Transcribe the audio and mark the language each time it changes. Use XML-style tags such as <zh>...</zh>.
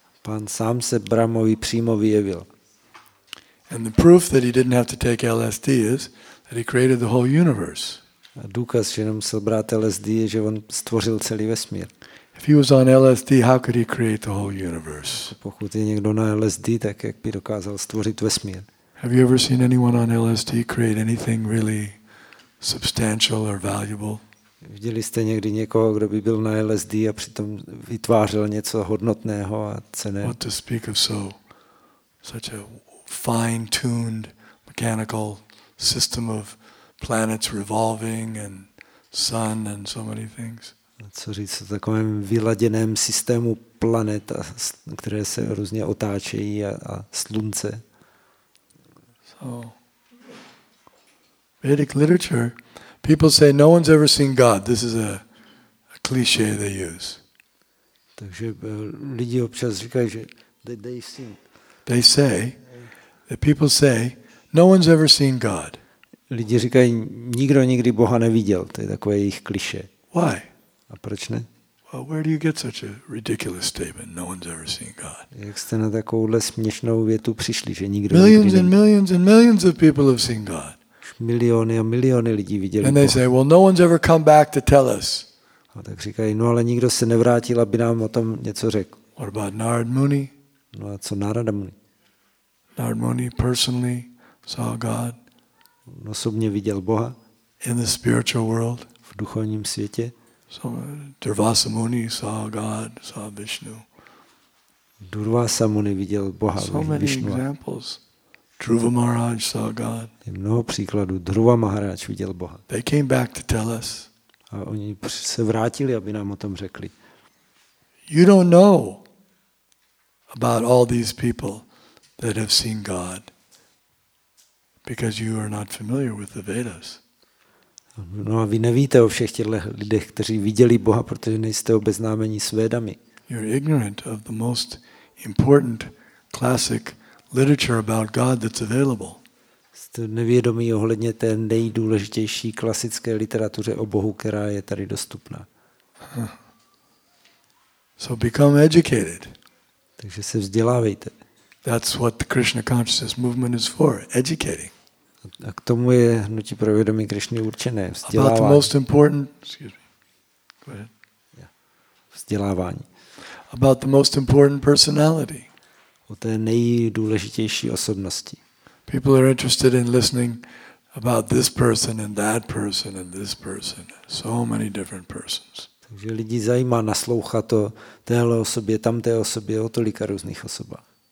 <cs>Pán sám se Brahmovi přímo vyjevil.</cs> <en>And the proof that he didn't have to take LSD is that he created the whole universe.</en> <cs>A důkaz, že nemusel brát LSD, je, že on stvořil celý vesmír.</cs> <en>If he was on LSD, how could he create the whole universe?</en> <cs>Pokud je někdo na LSD, tak jak by dokázal stvořit vesmír?</cs> <en>Have you ever seen anyone on LSD create anything really substantial or valuable?</en> <cs>Viděli jste někdy někoho, kdo by byl na LSD a přitom vytvářel něco hodnotného a cenného?</cs> <en>What to speak of such a fine-tuned mechanical system of planets revolving and sun and so many things.</en> <cs>Co říct o takovém vyladěném systému planet, které se různě otáčejí a slunce.</cs> <en>So Vedic literature, people say no one's ever seen God. This is a cliche they use.</en> <cs>Takže lidi občas říkají, že</cs> <en>they've seen. They say that people say no one's ever seen God.</en> <cs>Lidi říkají, nikdo nikdy Boha neviděl. To je takové jejich kliše.</cs> <en>Why?</en> <cs>A proč ne?</cs> <en>Well, where do you get such a ridiculous statement? No one's ever seen God.</en> <cs>Jak jste na takovouhle směšnou větu přišli, že nikdo</cs> <en>millions</en> <cs>nikdy</cs> <en>and</en> <cs>neviděl?</cs> <en>Millions and millions of people have seen God.</en> <cs>Miliony a miliony lidí viděli Boha.</cs> <en>And they say, well, no one's ever come back to tell us.</en> <cs>A tak říkají, no ale nikdo se nevrátil, aby nám o tom něco řekl.</cs> <en>What about Narad Muni?</en> <cs>No a co Narada Muni?</cs> <en>Narad Muni personally saw God.</en> <cs>On osobně viděl Boha.</cs> <en>In the spiritual world.</en> <cs>V duchovním světě.</cs> <en>So Durvasa Muni saw God, saw Vishnu.</en> <cs>Durvasa Muni viděl Boha,</cs> <en>so many</en> <cs>Vishnu.</cs> <en>Examples. Dhruva Maharaj saw God.</en> <cs>Je mnoho příkladů. Dhruva Maharaj viděl Boha.</cs> <en>They came back to tell us.</en> <cs>A oni se vrátili, aby nám o tom řekli.</cs> <en>You don't know about all these people that have seen God because you are not familiar with the Vedas.</en> <cs>No a vy nevíte o všech těch lidech, kteří viděli Boha, protože nejste obeznámeni s Vedami.</cs> <en>You're ignorant of the most important classic literature about God that's available.</en> <cs>Jste nevědomí ohledně té nejdůležitější klasické literatuře o Bohu, která je tady dostupná.</cs> <en>So become educated.</en> <cs>Takže se vzdělávejte.</cs> <en>That's what the Krishna consciousness movement is for, educating.</en> <cs>A k tomu je hnutí pro vědomí Krišny určené, vzdělávání.</cs> <en>About the most important, excuse me. Go ahead.</en> <cs>Vzdělávání.</cs> <en>About the most important personality.</en> <cs>O té nejdůležitější osobnosti.</cs> <en>People are interested in listening about this person and that person and this person. So many different persons.</en> <cs>Takže lidi zajímá naslouchat o téhle osobě, tamté osobě, o tolika různých osobách.</cs>